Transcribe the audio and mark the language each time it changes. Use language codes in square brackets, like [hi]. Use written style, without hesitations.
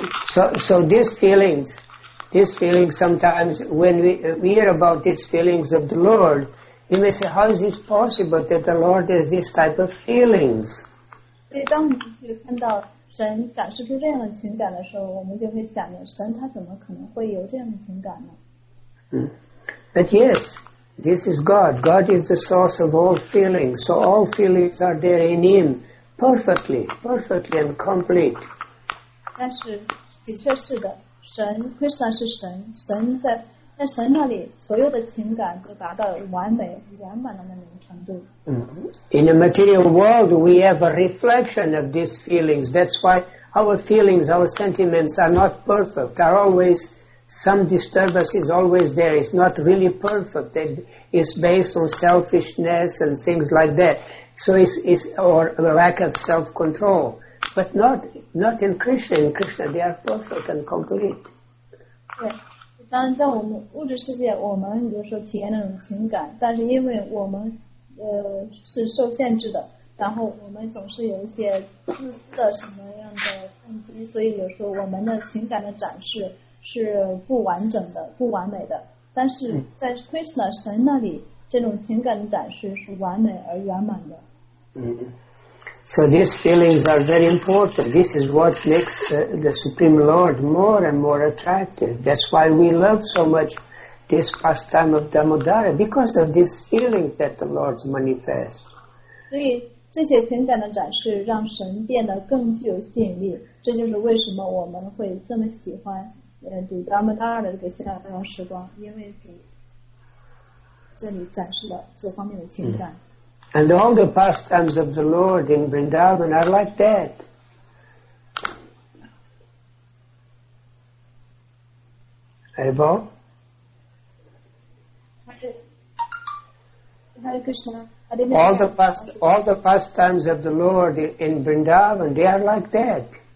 [en] So these feelings sometimes when we hear about these feelings of the Lord, you may say, how is this possible that the Lord has this type of feelings? [zh] 所以当我们去看到神展示出这样的情感的时候，我们就会想着神他怎么可能会有这样的情感呢？ [en] But yes, this is God. God is the source of all feelings. So all feelings are there in him. Perfectly and complete. [zh] 但是的确是的，神会算是神，神在神那里所有的情感都达到完美圆满的那种程度。 [en] In the material world, we have a reflection of these feelings. That's why our feelings, our sentiments are not perfect. There are always some disturbances always there. It's not really perfect. It's based on selfishness and things like that. So it's or a lack of self-control, but not in Krishna. In Krishna, they are perfect and complete. [zh] 对，当然在我们物质世界，我们比如说体验那种情感，但是因为我们是受限制的，然后我们总是有一些自私的什么样的动机，所以有时候我们的情感的展示是不完整的、不完美的。但是在 Krishna 神那里。这种情感的展示是完美而圆满的。 [en] So these feelings are very important. This is what makes the Supreme Lord more and more attractive. That's why we love so much this pastime of Damodara, because of these feelings that the Lord manifests. [zh] 所以这些情感的展示让神变得更具有吸引力。这就是为什么我们会这么喜欢读 Damodara 的这个逍遥时光，因为读。这里展示了这方面的情感。 [en] And all the pastimes of the Lord in Vrindavan are like that. Haribo? Hare Krishna. All the pastimes of the Lord in Vrindavan, they are like that.